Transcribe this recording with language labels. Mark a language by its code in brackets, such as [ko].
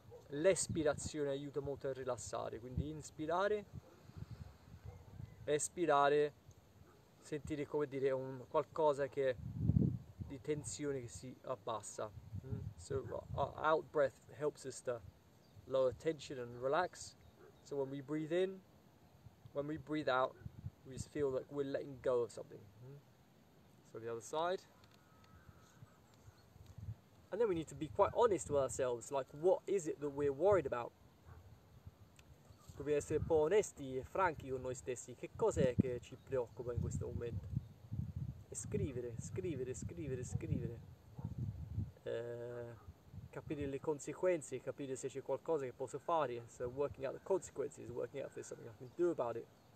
[it] L'espirazione aiuta molto a rilassare, quindi inspirare, espirare, sentire come dire un qualcosa che di tensione che si abbassa. [en] So our out breath helps us to lower tension and relax. So when we breathe in, when we breathe out, we just feel like we're letting go of something. So the other side. And then we need to be quite honest with ourselves, like what is it that we're worried about? [it] Dobbiamo essere un po' onesti e franchi con noi stessi. Che cos'è che ci preoccupa in questo momento? Scrivere. Capire le conseguenze, capire se c'è qualcosa che posso fare. [en] So working out the consequences, working out if there's something I can do about it.